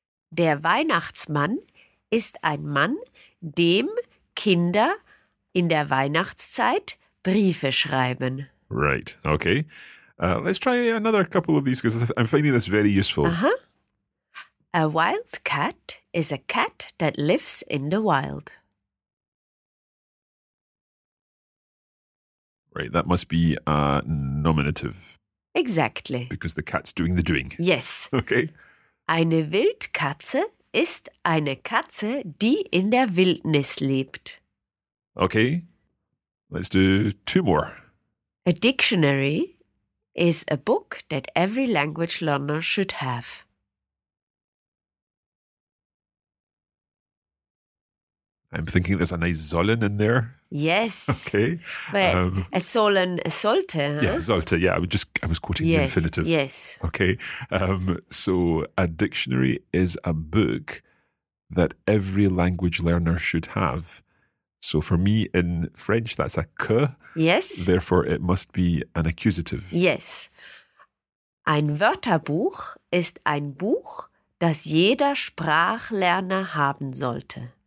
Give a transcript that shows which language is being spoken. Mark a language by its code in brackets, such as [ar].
[de] Der Weihnachtsmann ist ein Mann, dem Kinder in der Weihnachtszeit Briefe schreiben. [en] Right, okay. Let's try another couple of these, because I'm finding this very useful. Uh-huh. A wild cat is a cat that lives in the wild. Right, that must be a nominative. Exactly. Because the cat's doing the doing. Yes. Okay. [de] Eine Wildkatze ist eine Katze, die in der Wildnis lebt. [en] Okay, let's do two more. A dictionary is a book that every language learner should have. I'm thinking there's a nice sollen in there. Yes. Okay. But sollte. Huh? Yeah, sollte. Yeah, I was quoting the infinitive. Yes. Okay. So a dictionary is a book that every language learner should have. So for me in French, that's a que. Yes. Therefore, it must be an accusative. Yes. [de] Ein Wörterbuch ist ein Buch, das jeder Sprachlerner haben sollte.